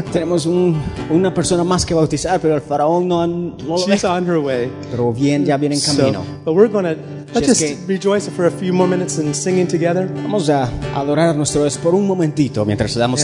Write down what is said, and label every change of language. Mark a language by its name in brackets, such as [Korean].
[Spanish] Tenemos una persona más que bautizar, pero el faraón no. [English] She's on her way. [Spanish] Pero bien, ya viene en camino. So, [English] but we're gonna rejoice for a few more minutes and singing together. [Spanish] Vamos a adorar a nuestro Dios por un momentito mientras le damos